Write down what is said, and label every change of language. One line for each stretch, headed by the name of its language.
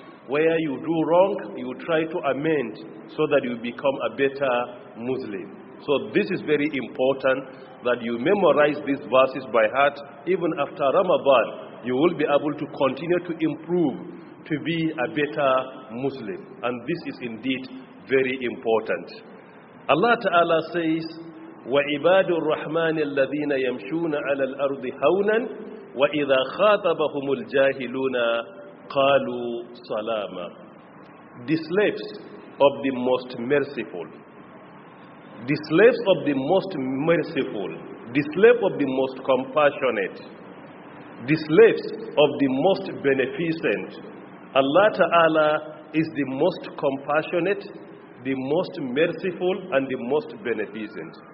English: Where you do wrong, you try to amend so that you become a better Muslim. So this is very important that you memorize these verses by heart. Even after Ramadan, you will be able to continue to improve to be a better Muslim. And this is indeed very important. Allah Ta'ala says,
Arabic: وَعِبَادُ الرَّحْمَنِ الَّذِينَ يَمْشُونَ عَلَى الْأَرْضِ هَوْنًا وَإِذَا خَاطَبَهُمُ الْجَاهِلُونَ قَالُوا سَلَامًا.
English: The slaves of the most merciful. The slaves of the most merciful, the slave of the most compassionate, the slaves of the most beneficent. Allah Ta'ala is the most compassionate, the most merciful, and the most beneficent.